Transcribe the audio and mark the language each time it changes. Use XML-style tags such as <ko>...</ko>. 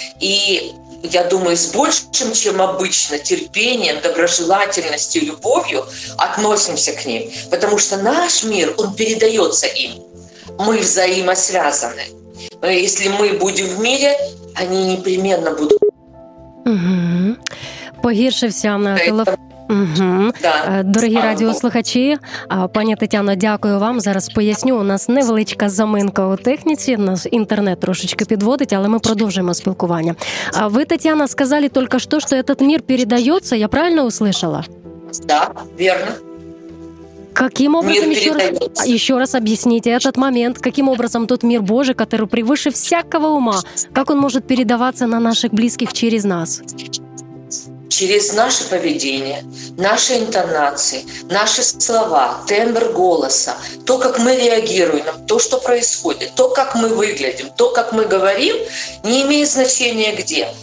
<ru>И я думаю, с большим, чем обычно, терпением, доброжелательностью, любовью относимся к ним. Потому что наш мир, он передается им. Мы взаимосвязаны. Если мы будем в мире, они непременно будут.</ru> <uk>Погіршився на телефоні. Дорогі радіослухачі, пані Тетяно, дякую вам. Зараз поясню, у нас невеличка заминка у техніці, у нас інтернет трошечки підводить, але ми продовжуємо спілкування. Ви, Тетяна, сказали тільки що, що</uk> <ru>этот мир</ru> <uk>передається,</uk> <ru>я правильно услышала? Так, да, верно. Каким образом, еще раз объясните этот момент, каким образом тот мир Божий, который превыше всякого ума, как он может передаваться на наших близких через нас? через наше поведение, наши интонации, наши слова, тембр голоса, то, как мы реагируем на то, что происходит, то, как мы выглядим, то, как мы говорим, не имеет значения где.</ru>